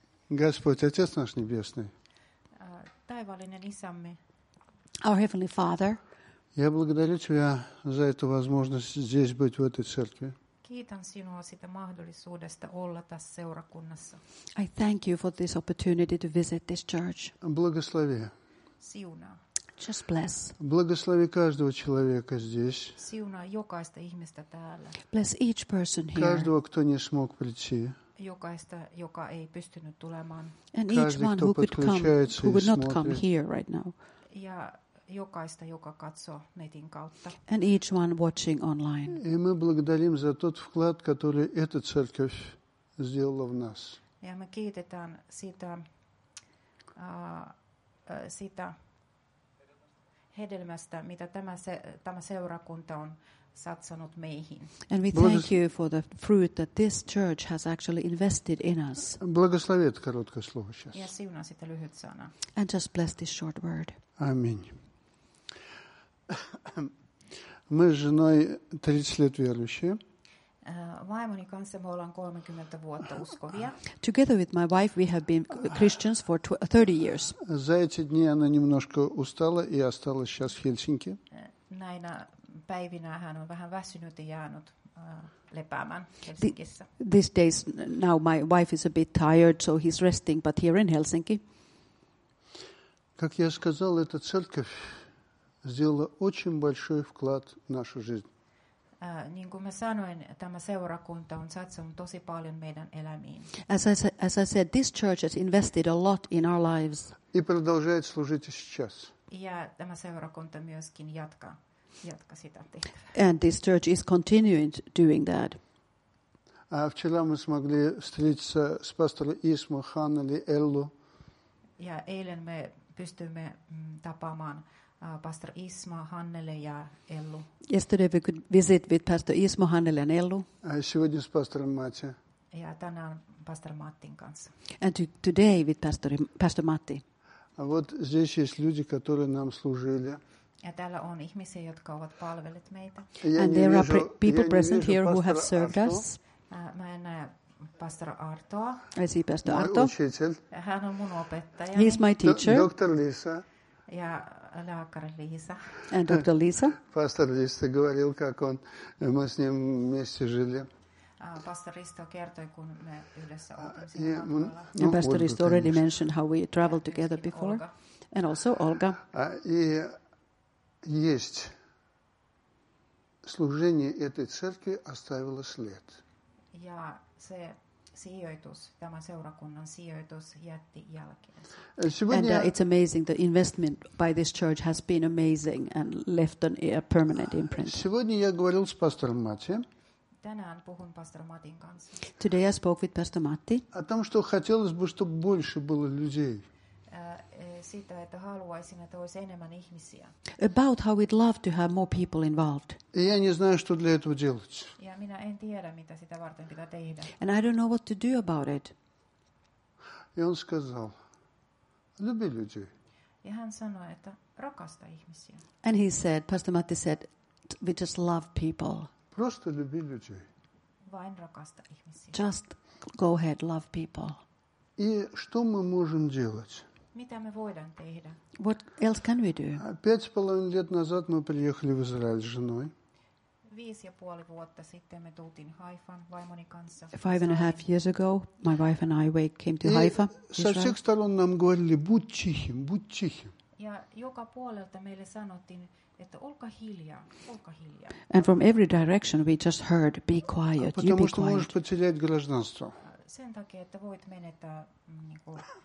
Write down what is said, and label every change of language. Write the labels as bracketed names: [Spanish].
[Russian] Господь, Отец наш Небесный. [Finnish] Таевалинен Исамме. [English] Our Heavenly Father. [Russian] Я благодарю Тебя за эту возможность здесь быть, в этой церкви. [Finnish] Kiitän sinua siitä mahdollisuudesta olla tässä seurakunnassa. [English] I thank you for this opportunity to visit this church. [Russian] Благослови. [Finnish] Siunaa. [English] Just bless. [Russian] Благослови каждого человека здесь. [Finnish] Siunaa jokaista ihmistä täällä. [English] Bless each person here. [Russian] Каждого, кто не смог прийти. [Finnish] Jokaista, joka ei pystynyt tulemaan. [English] And each one who could come, who would not come here right now. [Finnish] Ja jokaista, joka katsoo netin kautta. [English] And each one watching online. [Russian] И мы благодарим за тот вклад, который эта церковь сделала в нас. [Finnish] Ja me kiitetään sitä hedelmästä, mitä tämä seurakunta on satsannut meihin. [English] And we thank you for the fruit that this church has actually invested in us. Благослови это короткое слово сейчас. Ja siunaa sitä lyhyt sana. And just bless this short word. Amen. [Russian] Мы с женой 30 лет верующие. [Finnish] Vaimoni kanssa me ollaan 30 vuotta uskovia. [English] Together with my wife we have been Christians for 30 years. [Russian] За эти дни она немножко устала и осталась сейчас в Хельсинки. [Finnish] Näinä päivinä hän on vähän väsynyt ja jäänyt lepäämään Helsingissä. [English] These days now my wife is a bit tired, so he's resting, but here in Helsinki. [Russian] Как я сказал, эта церковь сделала очень большой вклад в нашу жизнь. [Finnish] Niin kuin mä sanoin, tämä seurakunta on satsannut tosi paljon meidän elämiin. [English] As I said, this church has invested a lot in our lives. [Russian] И продолжает служить сейчас. [Finnish] Ja tämä seurakunta myöskin jatkaa sitä tehtävää. [English] And this church is continuing doing that. [Russian] Вчера мы смогли встретиться с пастором Исмо, Ханнели, Эллу. [Finnish] Ja eilen me pystymme tapaamaan Pastor Isma, Hannele ja Ellu. [English] Yesterday we could visit with Pastor Isma, Hannele and Ellu. [Russian] Сегодня с пастором Матти. [Finnish] Ja tänään Pastor Mattin kanssa. [English] And today with Pastor Matti. [Russian] Вот здесь есть люди, которые нам служили. [Finnish] Ja täällä on ihmisiä, jotka ovat palvelleet meitä. [English] And there are people present here who have served us. [Finnish] Mä en näe Pastor Artoa. [English] I see Pastor Arto. [Finnish] Hän on mun opettaja. [English] He is my teacher. Dr. Lisa. [Finnish] Ja lääkäri Лиза. [English] And Dr. Lisa. [Russian] Pastor Risto говорил, как он мы с ним вместе жили. [Finnish] Pastor Risto kertoi, kun me yhdessä oltiin. [English] And Pastor Risto already mentioned how we traveled together before. And also Olga. [Russian] И есть служение этой церкви оставило след. [Finnish] Ja se sijoitus, tämä seurakunnan sijoitus jätti jälkeensä. [English] And it's amazing, the investment by this church has been amazing and left a permanent imprint. [Russian] Сегодня я говорил с пастором Матти. [Finnish] Tänään puhun пастор Матин kanssa. [English] Today I spoke with Pastor Matti. [Russian] О том, что хотелось бы, чтобы больше было людей. [Finnish] Siitä, että haluaisin, että olisi enemmän ihmisiä. [English] About how we'd love to have more people involved. [Russian] Я не знаю, что для этого делать. [Finnish] Ja minä en tiedä, mitä sitä varten pitää tehdä. [English] And I don't know what to do about it. [Russian] И он сказал, люби людей. [Finnish] Ja hän sanoi, että rakasta ihmisiä. [English] And he said, Pastor Matti said, we just love people. [Russian] Просто люби людей. [Finnish] Vain rakasta ihmisiä. [English] Just go ahead, love people. [Russian] И что мы можем делать? [Finnish] Mitä me voidaan tehdä? [English] What else can we do? [Russian] 5,5 лет назад мы приехали в Израиль с женой. [Finnish] 5,5 vuotta sitten me tultiin Haifaan vaimoni kanssa. [English] 5,5 years ago, my wife and I came to Haifa. [Russian] Со всех сторон нам говорили, будь тихим, будь тихим. [Finnish] Ja joka puolelta meille sanottiin, että olka hiljaa, olka hiljaa. [English] And from every direction we just heard, be quiet, you be quiet. [Russian] Потому что можешь потерять гражданство. [Finnish] Sen takia, että voit menettää niinku